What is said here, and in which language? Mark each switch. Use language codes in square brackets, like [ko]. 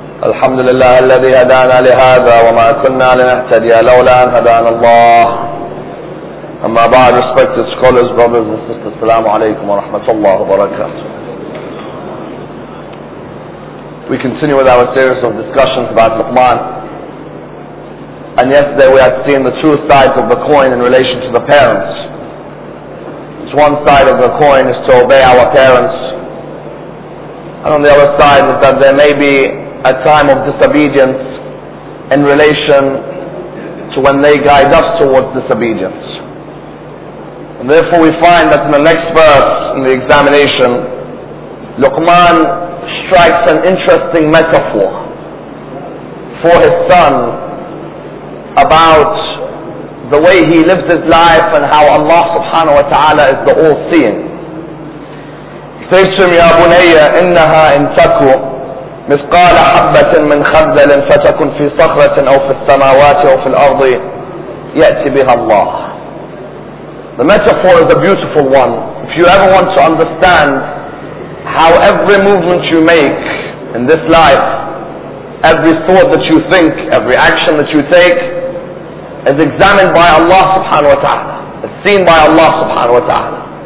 [ar] الحمد لله الذي هدانا لهذا وما كنا لنهتدي لولا أن هدانا الله. أما بعد, [en] respected scholars, brothers and sisters, [ar] السلام عليكم ورحمة الله وبركاته. [en] We continue with our series of discussions about Luqman, and yesterday we had seen the two sides of the coin in relation to the parents. It's one side of the coin is to obey our parents, and on the other side is that there may be a time of disobedience in relation to when they guide us towards disobedience. And therefore we find that in the next verse in the examination, Luqman strikes an interesting metaphor for his son about the way he lives his life and how Allah subhanahu wa ta'ala is the all-seeing. He says to him, [ar] يَا بُنَيَّ إِنَّهَا إِنْ تَكُوا مثقال حبة من خردل فتكن في صخرة أو في السماوات أو في الأرض يأتي بها الله. [en] The metaphor is a beautiful one. If you ever want to understand how every movement you make in this life, every thought that you think, every action that you take is examined by Allah subhanahu wa ta'ala, is seen by Allah subhanahu wa ta'ala.